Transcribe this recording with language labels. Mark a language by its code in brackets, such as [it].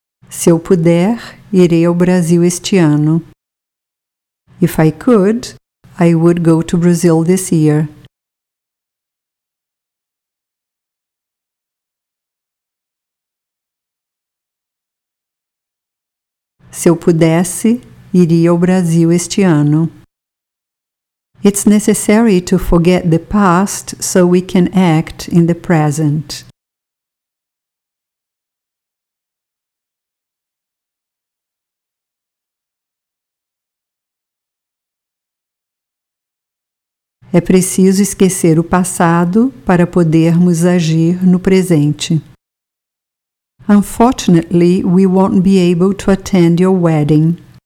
[pt] Se eu puder, irei ao Brasil este ano. [en] If I could, I would go to Brazil this year. [pt] Se eu pudesse, iria ao Brasil este ano. [en] It's necessary to forget the past so we can act in the present. [pt] É preciso esquecer o passado para podermos agir no presente. [en] Unfortunately, we won't be able to attend your wedding.